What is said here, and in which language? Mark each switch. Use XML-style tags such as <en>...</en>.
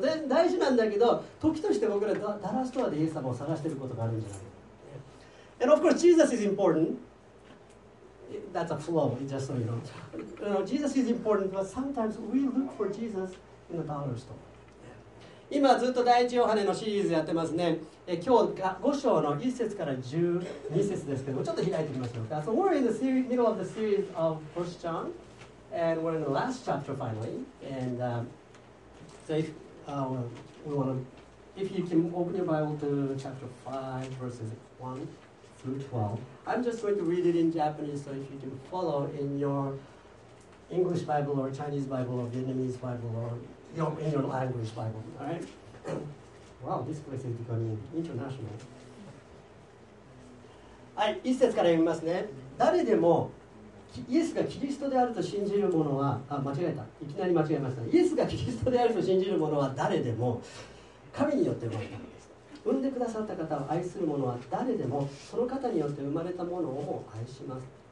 <ja>で大事なんだけど、時として僕らダラストアでイエス様を探していることがあるんじゃないか。</ja> <en>And of course Jesus is important. That's a flow, just so you know. Jesus is important, but sometimes we look for Jesus in the dollar store.</en> <ja>今ずっと第一ヨハネのシリーズやってますね。今日5章の1節から12節ですけども、ちょっと開いてみましょうか。</ja> <en>So we're in the series, middle of the series of 1 John, and we're in the last chapter finally. And、so if,、we wanna, if you can open your Bible to chapter 5, verses 1 through 12, I'm just going to read it in Japanese, so if you can follow in your English Bible or Chinese Bible or Vietnamese Bible or your, in your language Bible, all right? Wow, this place is becoming international.</en> <ja>はい、一節から読みますね。誰でもイエスがキリストであると信じる者は、あ、間違えた。いきなり間違えました。イエスがキリストであると信じる者は誰でも神によって生まれたのです。産んでくださった方を愛する者は誰でもその方によって生まれた者を愛します。</ja>